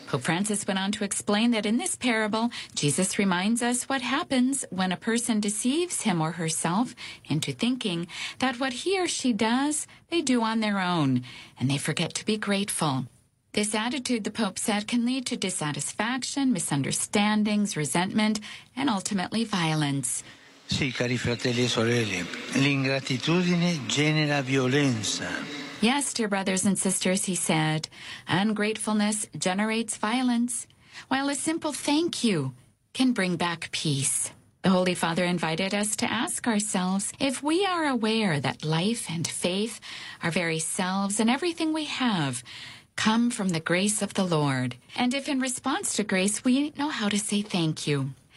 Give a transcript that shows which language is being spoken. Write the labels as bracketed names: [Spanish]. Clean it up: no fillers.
[English] Pope Francis went on to explain that in this parable, Jesus reminds us what happens when a person deceives him or herself into thinking that what he or she does, they do on their own, and they forget to be grateful. This attitude, the Pope said, can lead to dissatisfaction, misunderstandings, resentment, and ultimately violence. [Italian] Sì, cari fratelli e sorelle, l'ingratitudine genera violenza. [English] Yes, dear brothers and sisters, he said, ungratefulness generates violence, while a simple thank you can bring back peace. The Holy Father invited us to ask ourselves if we are aware that life and faith, our very selves and everything we have, come from the grace of the Lord, and if in response to grace we know how to say thank you.